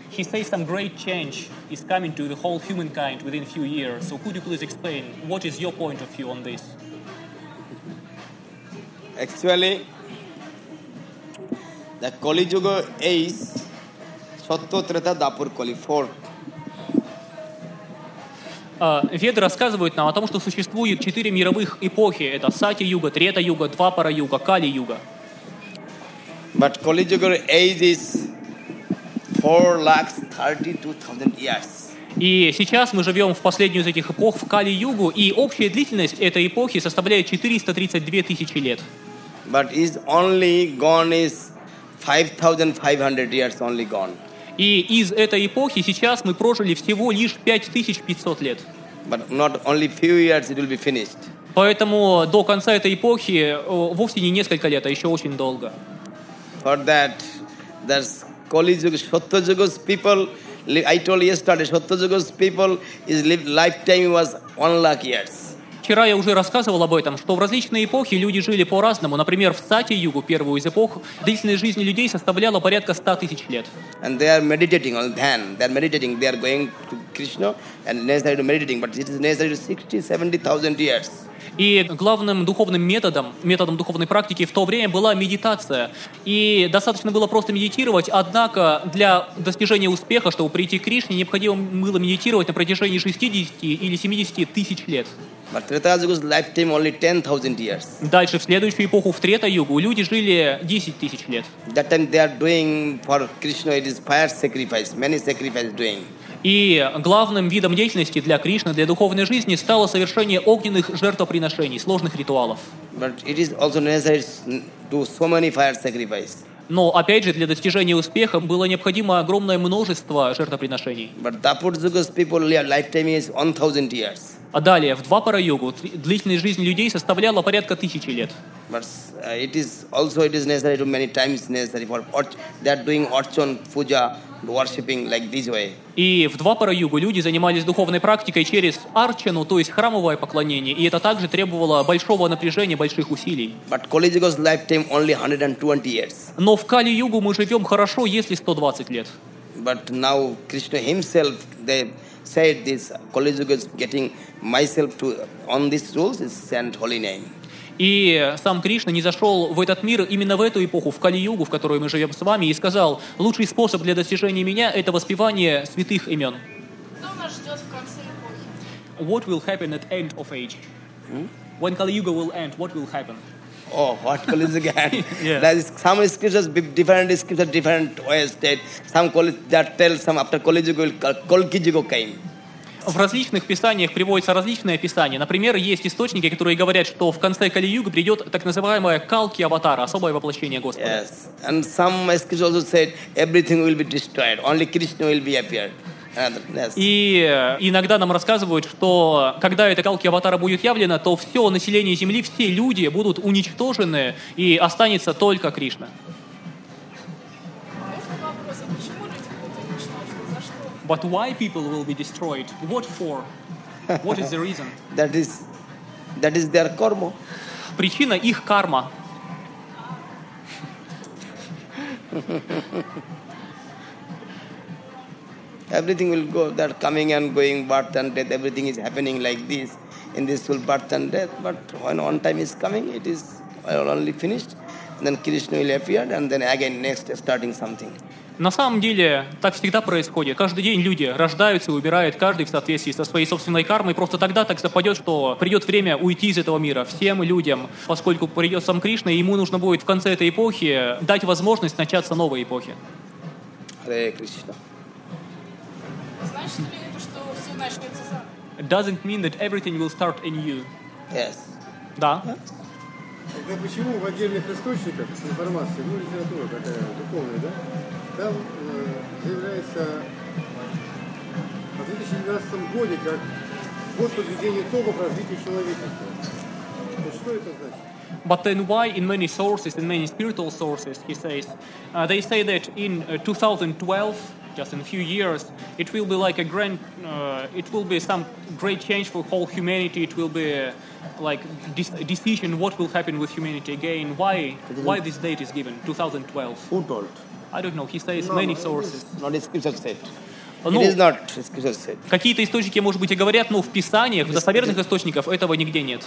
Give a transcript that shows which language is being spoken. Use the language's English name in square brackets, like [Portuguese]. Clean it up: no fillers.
[English] He says some great change is coming to the whole humankind within a few years. So could you please explain what is your point of view on this? Actually, the Kali Yuga is Satya Treta Dapur Kali, fourth. [Russian] Веды рассказывают нам о том, что существует четыре мировых эпохи. Это Сати-юга, Трета-юга, Двапара-юга, Кали-юга. [English] But Kali-yuga age is 432,000 years. [Russian] И сейчас мы живем в последнюю из этих эпох, в Кали-югу, и общая длительность этой эпохи составляет 432 тысячи лет. [English] But it's only gone is 5,500 years only gone. [Russian] И из этой эпохи сейчас мы прожили всего лишь 5500 лет. [English] But not only few years it will be finished. [Russian] Поэтому до конца этой эпохи вовсе не несколько лет, а еще очень долго. [English] For that, there's Kali Yuga, Satya Yuga's people. I told yesterday, Satya Yuga's people is live lifetime was 1 lakh years. [Russian] Вчера я уже рассказывал об этом, что в различные эпохи люди жили по-разному. Например, в Сати-югу, первую из эпох, длительность жизни людей составляла порядка 100 тысяч лет. [English] And they are meditating on dhyan. They are meditating. They are going to Krishna and necessary to meditating. But it is necessary to 60-70,000 years. [Russian] И главным духовным методом, методом духовной практики в то время была медитация. И достаточно было просто медитировать, однако для достижения успеха, чтобы прийти к Кришне, необходимо было медитировать на протяжении 60 или 70 тысяч лет. [English] But Treta-yuga's lifetime only 10,000 years. [Russian] Дальше, в следующую эпоху, в Трета-югу, люди жили 10 тысяч лет. [English] That time they are doing for Krishna, it is fire sacrifice, many sacrifices doing. [Russian] И главным видом деятельности для Кришны, для духовной жизни, стало совершение огненных жертвоприношений, сложных ритуалов. [English] But it is also necessary to do so many fire sacrifices. [Russian] Но, опять же, для достижения успеха было необходимо огромное множество жертвоприношений. [English] But Dapur-yuga's people, lifetime is 1,000 years. [Russian] А далее, в Двапара-югу, длительность жизни людей составляла порядка тысячи лет. [English] But it is also it is necessary to many times necessary for they are doing archon puja, worshipping like this way. [Russian] И в Двапара-югу люди занимались духовной практикой через арчану, то есть храмовое поклонение, и это также требовало большого напряжения, больших усилий. [English] But Kali-yuga's lifetime only 120 years. [Russian] Но в Кали-югу мы живем хорошо, если 120 лет. [English] But now Krishna himself, they said this Kali-yuga is getting myself to on these rules is sent holy name. [Russian] И сам Кришна не зашел в этот мир именно в эту эпоху, в Кали-югу, в которой мы живем с вами, и сказал, лучший способ для достижения меня – это воспевание святых имен. Что нас ждет в конце эпохи? [English] What will happen at end of age? When Kali-yuga will end, what will happen? Oh, what Kali-yuga end? Yeah. Some scriptures, different scriptures, different ways that some that tell some after Kali-yuga will Kalki-yuga came. [Russian] В различных писаниях приводятся различные описания. Например, есть источники, которые говорят, что в конце Кали-юги придет так называемая Калки-аватара, особое воплощение Господа. [English] Yes. And some scriptures also said everything will be destroyed, only Krishna will be appeared. Yes. [Russian] И иногда нам рассказывают, что когда эта Калки-аватара будет явлена, то все население Земли, все люди будут уничтожены, и останется только Кришна. [English] But why people will be destroyed? What for? What is the reason? That is their karma. [Russian] Причина их карма. [English] Everything will go. They're coming and going, birth and death. Everything is happening like this in this world, birth and death. But when one time is coming, it is only finished. And then Krishna will appear, and then again next starting something. [Russian] На самом деле, так всегда происходит. Каждый день люди рождаются и умирают, каждый в соответствии со своей собственной кармой. Просто тогда так совпадет, что придет время уйти из этого мира всем людям, поскольку придет сам Кришна, и ему нужно будет в конце этой эпохи дать возможность начаться новой эпохи. Харе Кришна. Значит ли это, что все начнется заново? [English] It doesn't mean that everything will start anew. Yes. [Russian] Да. Тогда почему в отдельных источниках с информацией, ну, литература такая духовная, да? Там заявляется о 2012 году как год подведения итогов развития человечества. То что это значит? [English] But then why in many sources, in many spiritual sources, he says, they say that in 2012 just in a few years, it will be like a grand, it will be some great change for whole humanity. It will be like a decision what will happen with humanity again. Why this date is given, 2012? Who told? I don't know. He says many sources. Not his scripture said. It is not scripture said. [Russian] Какие-то источники, может быть, и говорят, но в писаниях, в достоверных источниках этого нигде нет.